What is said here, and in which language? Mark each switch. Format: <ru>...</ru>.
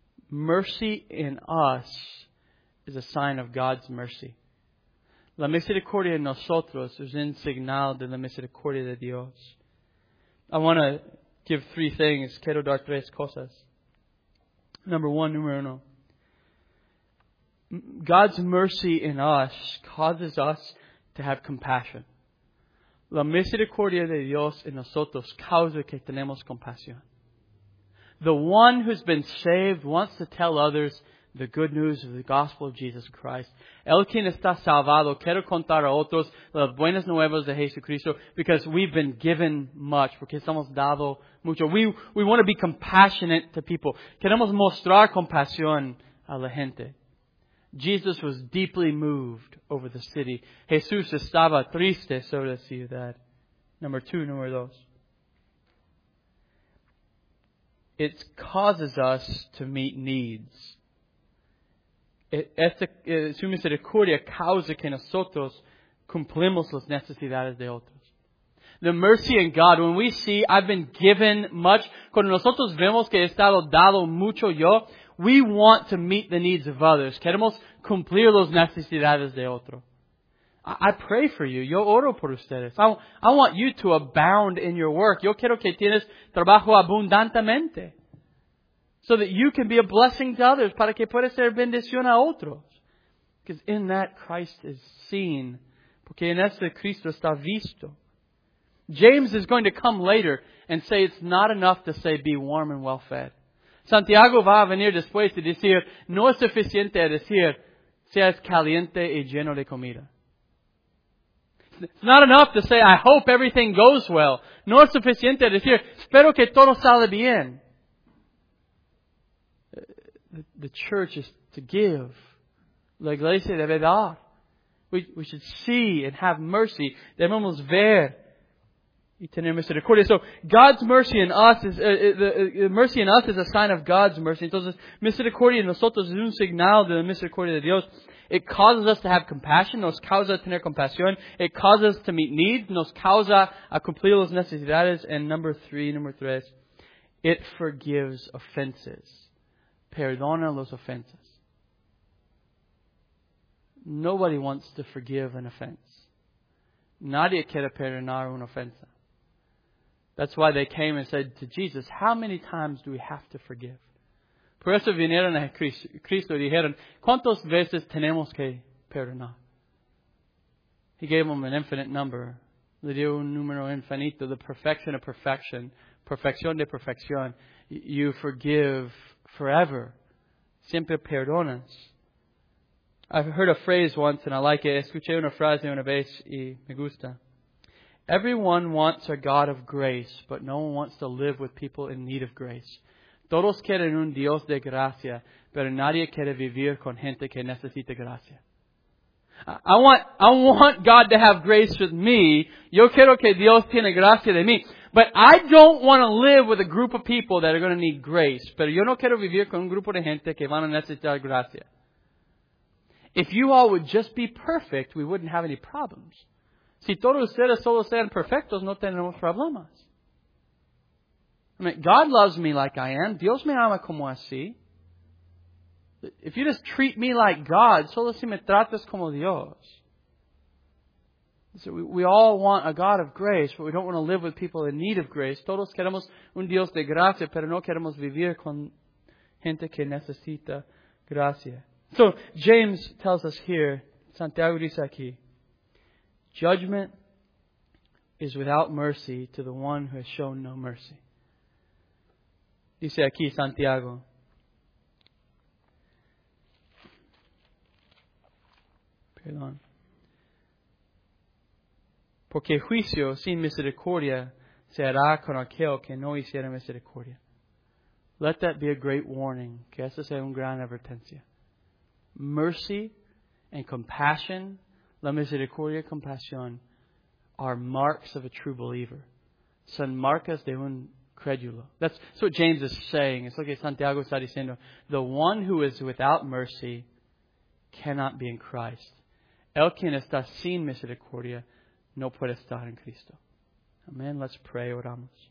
<en>Mercy in us is a sign of God's mercy.</en> <es>La misericordia en nosotros es un signal de la misericordia de Dios.</es> <en>I want to give three things.</en> <es>Quiero dar tres cosas.</es> <en>Number one,</en> <es>número uno.</es> <en>God's mercy in us causes us to have compassion.</en> <es>La misericordia de Dios en nosotros causa que tenemos compasión.</es> <en>The one who's been saved wants to tell others the good news of the gospel of Jesus Christ.</en> <es>El quien está salvado quiere contar a otros las buenas nuevas de Jesucristo,</es> <en>because we've been given much,</en> <es>porque estamos dado mucho.</es> <en>We want to be compassionate to people.</en> <es>Queremos mostrar compasión a la gente.</es> <en>Jesus was deeply moved over the city.</en> <es>Jesús estaba triste sobre la ciudad. Número dos.</es> <en>It causes us to meet needs.</en> <es>Su misericordia causa que nosotros cumplimos las necesidades de otros.</es> <en>The mercy in God, when we see I've been given much,</en> <es>cuando nosotros vemos que he estado dado mucho yo,</es> <en>we want to meet the needs of others.</en> <es>Queremos cumplir las necesidades de otro.</es> <en>I pray for you.</en> <es>Yo oro por ustedes.</es> <en>I want you to abound in your work.</en> <es>Yo quiero que tienes trabajo abundantemente,</es> <en>so that you can be a blessing to others,</en> <es>para que puedas ser bendición a otros.</es> <en>Because in that Christ is seen.</en> <es>Porque en ese Cristo está visto.</es> <en>James is going to come later and say it's not enough to say be warm and well fed.</en> <es>Santiago va a venir después y decir, no es suficiente decir, seas caliente y lleno de comida.</es> <en>It's not enough to say, I hope everything goes well.</en> <es>No es suficiente decir, espero que todo sale bien.</es> <en>The church is to give.</en> <es>La iglesia debe dar.</es> <en>We should see and have mercy.</en> <es>Debemos ver.</es> <en>So God's mercy in us is the mercy in us is a sign of God's mercy.</en> <es>Entonces, misericordia en nosotros es un signal de la misericordia de Dios.</es> <en>It causes us to have compassion.</en> <es>Nos causa tener compasión.</es> <en>It causes us to meet needs.</en> <es>Nos causa a cumplir las necesidades.</es> <en>And number three, it forgives offenses.</en> <es>Perdona los ofensas.</es> <en>Nobody wants to forgive an offense.</en> <es>Nadie quiere perdonar una ofensa.</es> <en>That's why they came and said to Jesus, how many times do we have to forgive?</en> <es>Por eso vinieron a Cristo y dijeron, ¿cuántas veces tenemos que perdonar?</es> <en>He gave them an infinite number.</en> <es>Le dio un número infinito,</es> <en>the perfection of perfection,</en> <es>perfección de perfección.</es> <en>You forgive forever.</en> <es>Siempre perdonas.</es> <en>I've heard a phrase once and I like it.</en> <es>Escuché una frase una vez y me gusta.</es> <en>Everyone wants a God of grace, but no one wants to live with people in need of grace.</en> <es>Todos quieren un Dios de gracia, pero nadie quiere vivir con gente que necesita gracia.</es> <en>I want God to have grace with me.</en> <es>Yo quiero que Dios tiene gracia de mí.</es> <en>But I don't want to live with a group of people that are going to need grace.</en> <es>Pero yo no quiero vivir con un grupo de gente que van a necesitar gracia.</es> <en>If you all would just be perfect, we wouldn't have any problems.</en> <es>Si todos ustedes solo sean perfectos, no tenemos problemas.</es> <en>I mean, God loves me like I am.</en> <es>Dios me ama como así.</es> <en>If you just treat me like God,</en> <es>solo si me tratas como Dios.</es> <en>So we all want a God of grace, but we don't want to live with people in need of grace.</en> <es>Todos queremos un Dios de gracia, pero no queremos vivir con gente que necesita gracia.</es> <en>So James tells us here,</en> <es>Santiago dice aquí,</es> <en>judgment is without mercy to the one who has shown no mercy.</en> <es>Dice aquí Santiago. Perdón. Porque juicio sin misericordia se hará con aquel que no hiciera misericordia.</es> <en>Let that be a great warning.</en> <es>Que eso sea una gran advertencia.</es> <en>Mercy and compassion,</en> <es>la misericordia y compasión,</es> <en>are marks of a true believer.</en> <es>Son marcas de un credulo.</es> <en>That's what James is saying. It's like</en> <es>Santiago está diciendo.</es> <en>The one who is without mercy cannot be in Christ.</en> <es>El quien está sin misericordia no puede estar en Cristo. Amen.</es> <en>Let's pray.</en> <es>Oramos.</es>